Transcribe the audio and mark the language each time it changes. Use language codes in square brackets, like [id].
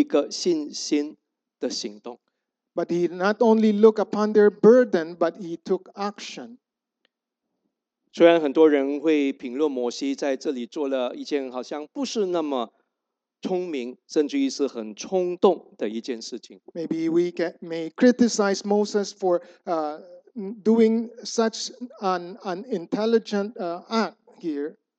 [zh] 但摩西的看见不只是视而不见，他看见了，他又有一个信心的行动。 [en] But he not only looked upon their burden, but he took action. [zh] 虽然很多人会评论摩西在这里做了一件好像不是那么 聪明，甚至于是很冲动的一件事情。 [en] Maybe we may criticize Moses for doing such an unintelligent act here.